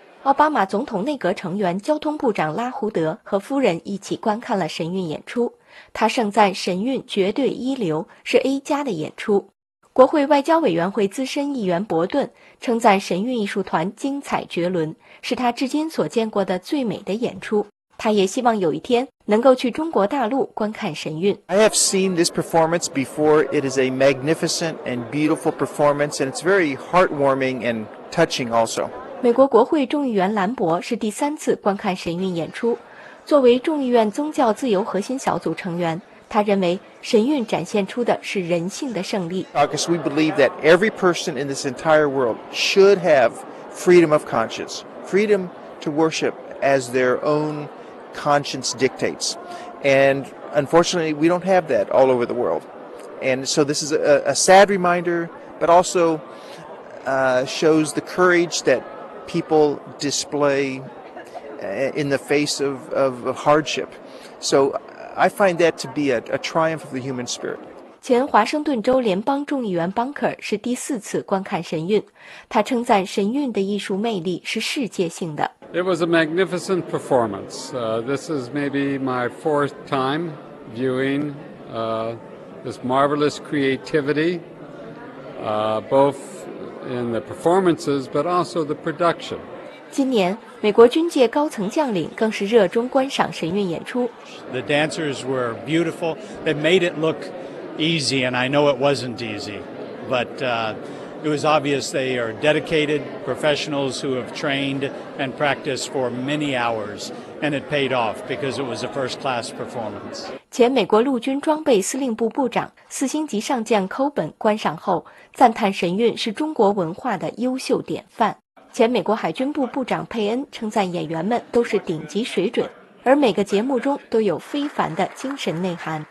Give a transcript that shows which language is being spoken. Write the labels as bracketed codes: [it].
[zh] 奥巴马总统内阁成员交通部长拉胡德和夫人一起观看了神韵演出，他盛赞神韵绝对一流，是 A 加的演出。国会外交委员会资深议员伯顿称赞神韵艺术团精彩绝伦，是他至今所见过的最美的演出。他也希望有一天能够去中国大陆观看神韵。 [en] I have seen this performance before. It is a magnificent and beautiful performance, and it's very heartwarming and touching also. [zh] 美国国会众议员兰博是第三次观看神韵演出。作为众议院宗教自由核心小组成员，他认为神韵展现出的是人性的胜利。 [en] Because we believe that every person in this entire world should have freedom of conscience, freedom to worship as their own conscience dictates. And unfortunately, we don't have that all over the world. And so this is a sad reminder, but also shows the courage that people display in the face of hardship. So. I find that to be a triumph of the human spirit. [zh] 前华盛顿州联邦众议员 Bunker 是第四次观看神韵，他称赞神韵的艺术魅力是世界性的。 [en] It was a magnificent performance. This is maybe my fourth time viewing this marvelous creativity, both in the performances but also the production. [zh] 今年美国军界高层将领更是热衷观赏神韵演出。 [en] The dancers were beautiful. They made it look easy, and I know it wasn't easy. But it was obvious they are dedicated professionals who have trained and practiced for many hours, and it paid off because it was a first-class performance. [zh] 前美国陆军装备司令部部长、四星级上将寇本观赏后赞叹神韵是中国文化的优秀典范。前美国海军部部长佩恩称赞演员们都是顶级水准，而每个节目中都有非凡的精神内涵。